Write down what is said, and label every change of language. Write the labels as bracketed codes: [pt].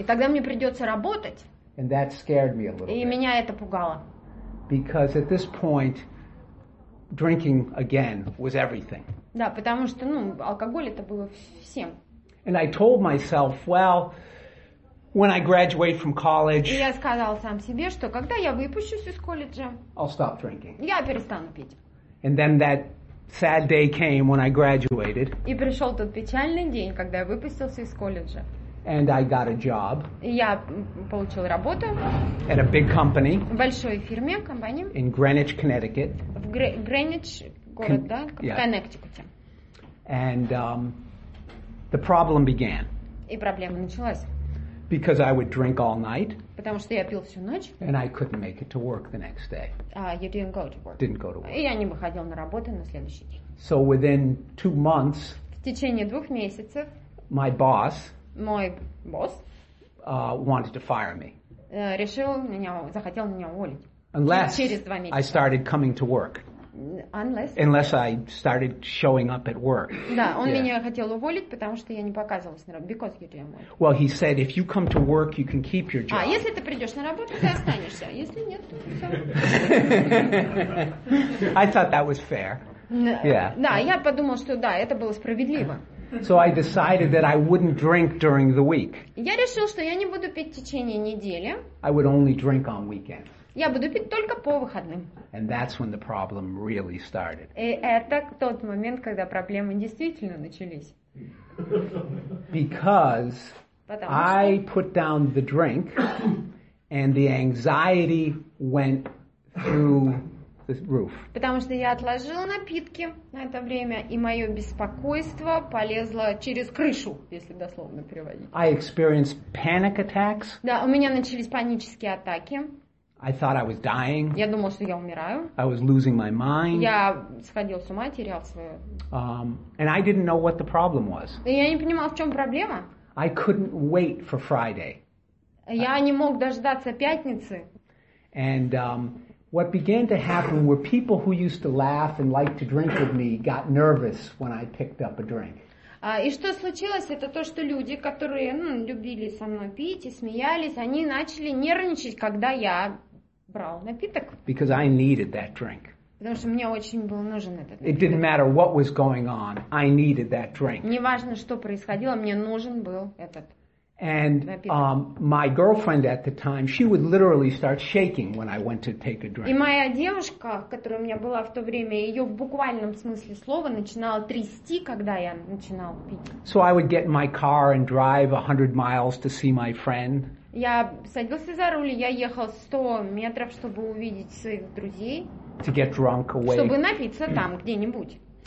[ru] И тогда мне придется работать. [en] And that scared me a little. [ru] И [en] bit. [ru] Меня это пугало. [en] Because at this point. Drinking again was everything. [ru] Да, потому что, ну, алкоголь это было всем. [en] And I told myself, well, when I graduate from college, [ru] и я сказал сам себе, что когда я выпущусь из колледжа, [en] I'll stop drinking. [ru] Я перестану пить. [en] And then that sad day came when I graduated. [ru] И пришел тот печальный день, когда я выпустился из колледжа. [en] And I got a job. [ru] Я получил работу. [en] At a big company. [ru] В большой фирме, компании. [en] In Greenwich, Connecticut. [ru] В Greenwich, город, да? [en] Yeah. [ru] В Коннектикуте. [en] And the problem began. [ru] И проблема началась. [en] Because I would drink all night. [ru] Потому что я пил всю ночь. [en] And I couldn't make it to work the next day. You didn't go to work. Didn't go to work. [ru] И я не выходил на работу на следующий день. [en] So within 2 months. [ru] В течение 2 месяцев. [en] My boss. [ru] Мой босс [en] wanted to fire me. [ru] Решил меня, захотел меня уволить. [en] Unless [ru] через 2 месяца. [en] I started coming to work. Unless I started showing up at work. [ru] Да, он [en] yeah. [ru] меня хотел уволить, потому что я не показывалась на работе. [en] Because you didn't work. Well, he said, if you come to work, you can keep your job. [ru] А если ты придешь на работу, ты останешься. Если нет, то все. [en] I thought that was fair. Yeah. [ru] Да, я подумал, что да, это было справедливо. [en] So I decided that I wouldn't drink during the week. [ru] Я решил, что я не буду пить в течение недели. [en] I would only drink on weekends. [ru] Я буду пить только по выходным. [en] And that's when the problem really started. [ru] И это тот момент, когда проблемы действительно начались. [en] Because I put down the drink and the anxiety went through roof. [ru] Потому что я отложила напитки на это время, и мое беспокойство полезло через крышу, если дословно переводить. [en] I experienced panic attacks. [ru] Да, у меня начались панические атаки. [en] I thought I was dying. [ru] Я думала, что я умираю. [en] I was losing my mind. [ru] Я сходил с ума, терял свое. [en] And I didn't know what the problem was. [ru] И я не понимала, в чем проблема. [en] I couldn't wait for Friday. [ru] Я не мог дождаться пятницы. [en] And what began to happen were people who used to laugh and like to drink with me got nervous when I picked up a drink. [ru] И что случилось, это то, что люди, которые любили со мной пить и смеялись, они начали нервничать, когда я брал напиток. [en] Because I needed that drink. [ru] Потому что мне очень был нужен этот напиток. [en] It didn't matter what was going on, I needed that drink. [ru] Не важно, что происходило, мне нужен был этот. [en] And my girlfriend at the time, she would literally start shaking when I went to take a drink. [ru] И моя девушка, которая у меня была в то время, ее в буквальном смысле слова начинала трясти, когда я начинал пить. [en] So I would get in my car and drive 100 miles to see my friend. [ru] Я садился за руль, я ехал 100 метров, чтобы увидеть своих друзей. [en] To get drunk away. [ru] Чтобы напиться там где-нибудь.